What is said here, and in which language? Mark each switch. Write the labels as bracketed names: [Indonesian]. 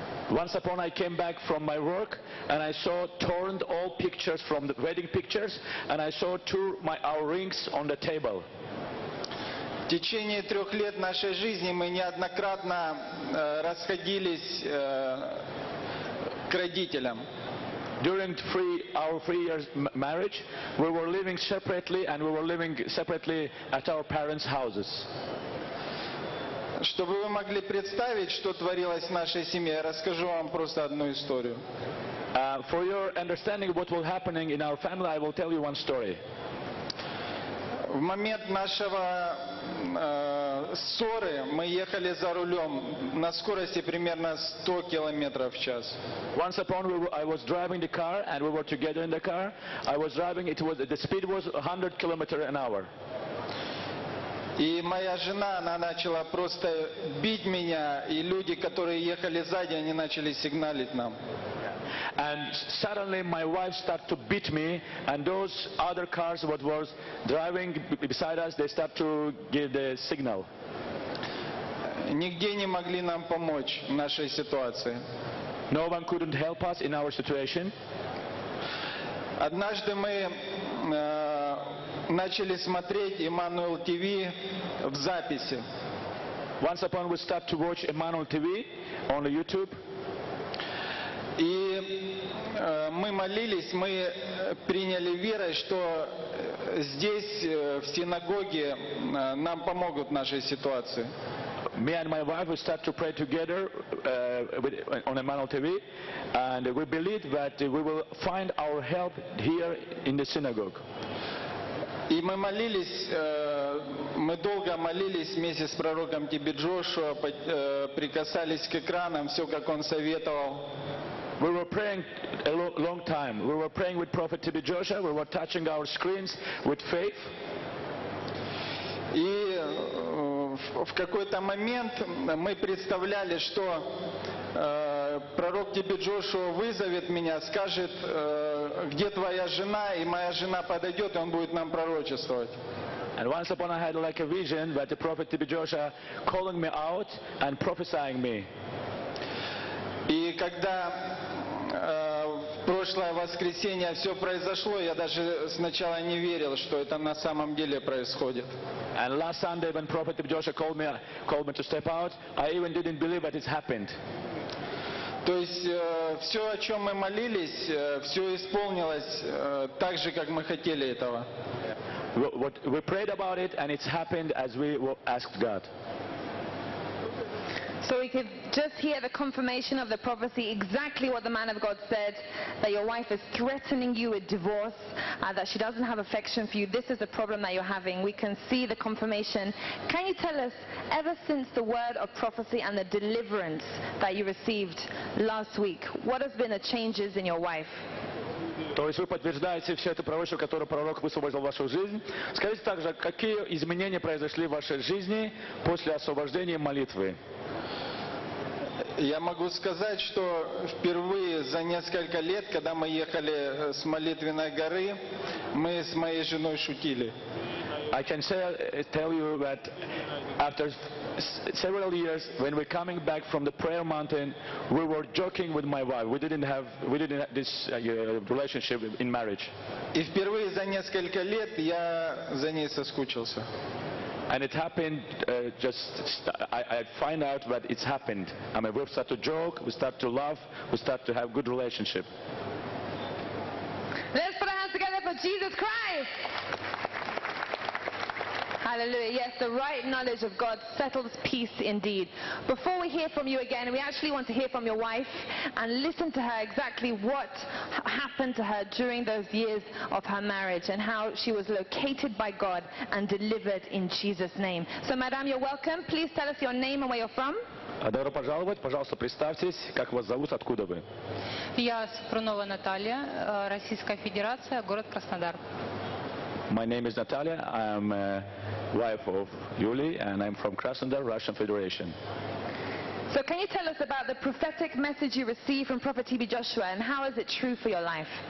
[English] Once upon I came back from my work and I saw torn all pictures from the wedding pictures and I saw our rings on the table. [Russian] В течение трех лет нашей жизни мы неоднократно расходились к родителям. [English] During our three years marriage, we were living separately and we were living separately at our parents' houses. [Russian] Чтобы вы могли представить, что творилось в нашей семье, я расскажу вам просто одну историю. [English] For your understanding what was happening in our family, I will tell you one story. [Russian] В момент нашего ссоры мы ехали за рулем на скорости примерно 100 километров в час. [English] Once upon I was driving the car and we were together in the car. I was driving, the speed was 100 kilometers an hour. [Russian] И моя жена, она начала просто бить меня, и люди, которые ехали сзади, они начали сигналить нам. [English] And suddenly my wife started to beat me, and those other cars what was driving beside us, they start to give the signal. [Russian] Нигде не могли нам помочь в нашей ситуации. [English] No one couldn't help us in our situation. [Russian] Однажды мы начали смотреть Emmanuel TV в записи. [English] Once upon we start to watch Emmanuel TV on YouTube. [Russian] И мы молились, мы приняли верой, что здесь в синагоге нам помогут в нашей ситуации. [English] Me and my wife, we start to pray together on Emmanuel TV, and we believe that we will find our help here in the synagogue. [Russian] И мы молились, мы долго молились вместе с пророком Тиби Джошуа, прикасались к экранам, все как он советовал. [English] We were praying a long time. We were praying with Prophet Тиби Джошуа. We were touching our screens with faith. [Russian] И в какой-то момент мы представляли, что пророк Тиби Джошуа вызовет меня, скажет, где твоя жена, и моя жена подойдет, и он будет нам пророчествовать. [English] And once upon I had like a vision that the prophet Тиби Джошуа calling me out and prophesying me. [Russian] И когда в прошлое воскресенье все произошло, я даже сначала не верил, что это на самом деле происходит. [English] And last Sunday, when Prophet Тиби Джошуа called me to step out, I even didn't believe that it happened. [Russian] То есть все, о чем мы молились, все исполнилось так же, как мы хотели этого. [English] What we prayed about it, and it's happened as we asked God. So we could just hear the confirmation of the prophecy, exactly what the man of God said, that your wife is threatening you with divorce, that she doesn't have affection for you. This is the problem that you're having. We can see the confirmation. Can you tell us, ever since the word of prophecy and the deliverance that you received last week, what has been the changes in your wife? [Russian] То есть вы подтверждаете все это пророчество, которое пророк высвободил в вашу жизнь. Скажите также, какие изменения произошли в вашей жизни после освобождения молитвы? Я могу сказать, что впервые за несколько лет, когда мы ехали с молитвенной горы, мы с моей женой шутили. [English] I can tell you that after several years, when we're coming back from the prayer mountain, we were joking with my wife. We didn't have this relationship in marriage. [Russian] И впервые за несколько лет я за ней соскучился. [English] And it happened I find out that it's happened. I mean, we start to joke, we start to laugh, we start to have good relationship. Let's put our hands together for Jesus Christ. Hallelujah. Yes, the right knowledge of God settles peace indeed. Before we hear from you again, we actually want to hear from your wife and listen to her exactly what happened to her during those years of her marriage and how she was located by God and delivered in Jesus' name. So, madam, you're welcome. Please tell us your name and where you're from. [Russian] Добро пожаловать. Пожалуйста, представьтесь, как вас зовут, откуда вы? Я Спрунова Наталья, Российская Федерация, город Краснодар. [English] My name is Natalia. I'm wife of Yuli, and I'm from Krasnodar, Russian Federation. So can you tell us about the prophetic message you received from Prophet Тиби Джошуа, and how is it true for your life?